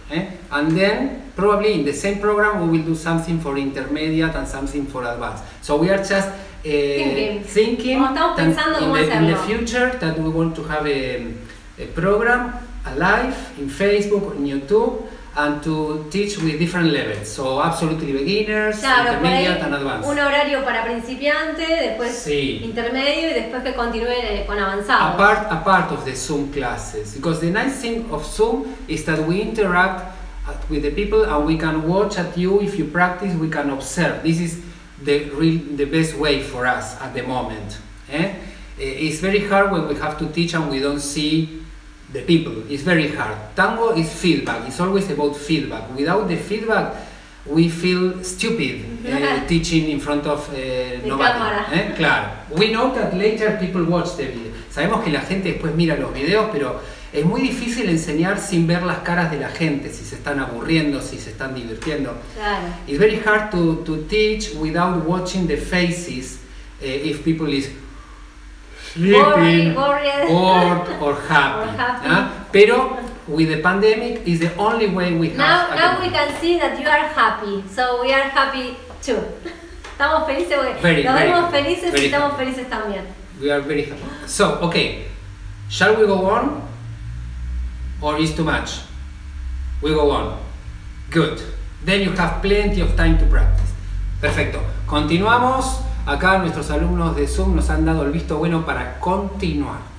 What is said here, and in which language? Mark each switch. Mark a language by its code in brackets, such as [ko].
[en] And then, probably in the same program, we will do something for intermediate and something for advanced. So we are just thinking in the future that we want to have a program, a live, in Facebook, in YouTube, and to teach with different levels. So absolutely beginners, [es] claro, [en] intermediate and advanced. [es] Un horario para principiantes, después intermedio y después que continúe con avanzado. [en] Apart of the Zoom classes. Because the nice thing of Zoom is that we interact with the people and we can watch at you. If you practice, we can observe. This is the best way for us at the moment. It's very hard when we have to teach and we don't see the people. It's very hard. Tango is feedback. It's always about feedback. Without the feedback, we feel stupid teaching in front of nobody. Claro. We know that later people watch the video. [es] Sabemos que la gente después mira los videos, pero es muy difícil enseñar sin ver las caras de la gente, si se están aburriendo, si se están divirtiendo. Claro. [en] It's very hard to teach without watching the faces if people is sleeping, bored, or happy. Pero with the pandemic is the only way we have. Now we can see that you are happy, so we are happy too. [es] Estamos felices, [en] We are very happy. So, okay, shall we go on? Or is too much? We go on. Good. Then you have plenty of time to practice. [es] Perfecto. Continuamos. Acá nuestros alumnos de Zoom nos han dado el visto bueno para continuar.